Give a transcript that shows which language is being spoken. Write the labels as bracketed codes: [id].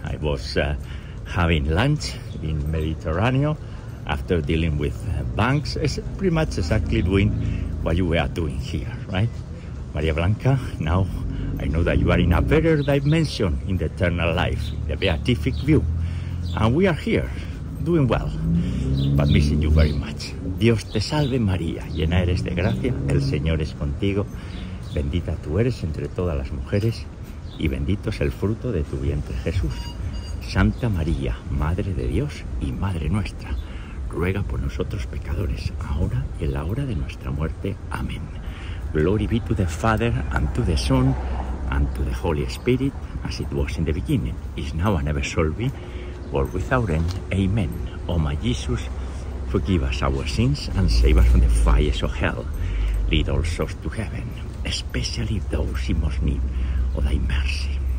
[en] I was having lunch in Mediterranean after dealing with banks. It's pretty much exactly doing what you were doing here, right? Maria Blanca, now I know that you are in a better dimension in the eternal life, in the beatific view. And we are here, doing well, but missing you very much. [es] Dios te salve, María, llena eres de gracia, el Señor es contigo. Bendita tú eres entre todas las mujeres y bendito es el fruto de tu vientre, Jesús. Santa María, Madre de Dios y Madre nuestra, ruega por nosotros pecadores, ahora y en la hora de nuestra muerte. Amén. [en] Glory be to the Father, and to the Son, and to the Holy Spirit, as it was in the beginning, is now and ever shall be, world without end. Amen. O my Jesus, forgive us our sins, and save us from the fires of hell. Lead all souls to heaven, especially those in most need of thy mercy.